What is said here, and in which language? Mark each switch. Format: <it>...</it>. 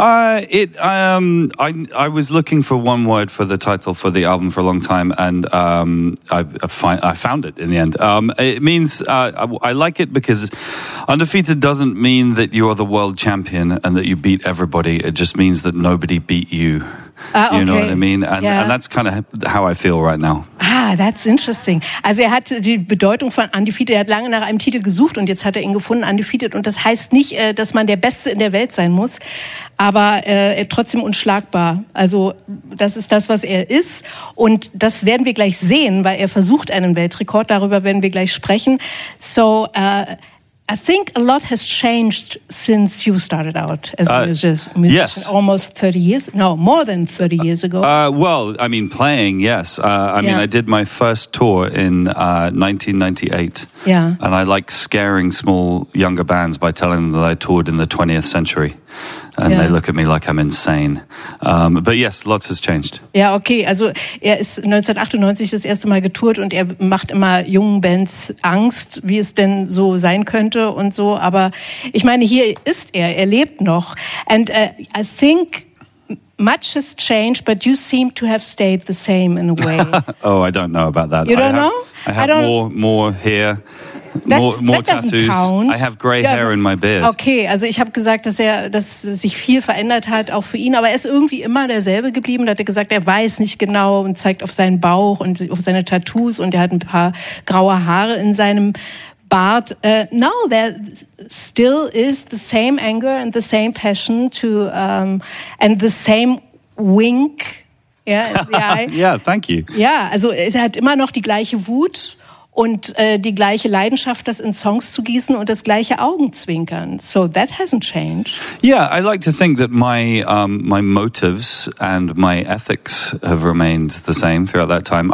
<en>I was looking for one word for the title for the album for a long time, and I found it in the end. It means I like it because undefeated doesn't mean that you are the world champion and that you beat everybody. It just means that nobody beat you. You okay. know what I mean? And, yeah. and that's kind of how I feel right now. Ah, that's interesting.</en> <de>Also er hat die Bedeutung von undefeated, er hat lange nach einem Titel gesucht und jetzt hat er ihn gefunden, undefeated. Und das heißt nicht, dass man der Beste in der Welt sein muss, aber trotzdem unschlagbar. Also das ist das, was er ist. Und das werden wir gleich sehen, weil er versucht einen Weltrekord. Darüber werden wir gleich sprechen.</de> <en>So, I think a lot has changed since you started out as a musician. Yes. Almost 30 years? No, more than 30 years ago. Well, I mean, playing, yes. I mean, I did my first tour in 1998. Yeah. And I like scaring small, younger bands by telling them that I toured in the 20th century. And yeah. they look at me like I'm insane. But yes, lots has changed. Yeah, okay.</en> <de>Also er ist 1998 das erste Mal getourt und er macht immer jungen Bands Angst, wie es denn so sein könnte und so. Aber ich meine, hier ist er. Er lebt noch.</de> <en>And I think much has changed, but you seem to have stayed the same in a way. Oh, I don't know about that. You don't know? I have more hair. More tattoos. Count. I have gray hair in my beard.</en> <de>Okay, also ich habe gesagt, dass sich viel verändert hat, auch für ihn. Aber er ist irgendwie immer derselbe geblieben. Da hat er gesagt, er weiß nicht genau und zeigt auf seinen Bauch und auf seine Tattoos. Und er hat ein paar graue Haare in seinem Bart.</de> <en>Now there still is the same anger and the same passion to and the same wink. Yeah, yeah, thank you.</en> <de>Ja, also er hat immer noch die gleiche Wut. Und die gleiche Leidenschaft, das in Songs zu gießen und das gleiche Augenzwinkern.</de> <en>So that hasn't changed. Yeah, I like to think that my my motives and my ethics have remained the same throughout that time.</en>